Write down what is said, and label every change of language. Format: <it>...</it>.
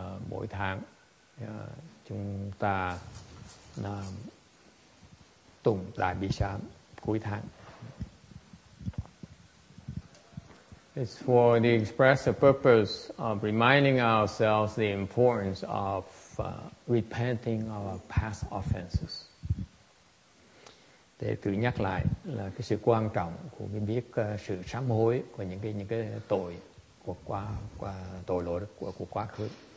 <vi>Mỗi tháng, chúng ta tụng Đại Bi Sám cuối tháng.</vi> <en>It's for the express purpose of reminding ourselves the importance of repenting our past offenses.</en> <vi>Để tự nhắc lại là cái sự quan trọng của cái biết sự sám hối của những cái tội của quá tội lỗi của quá khứ.</vi>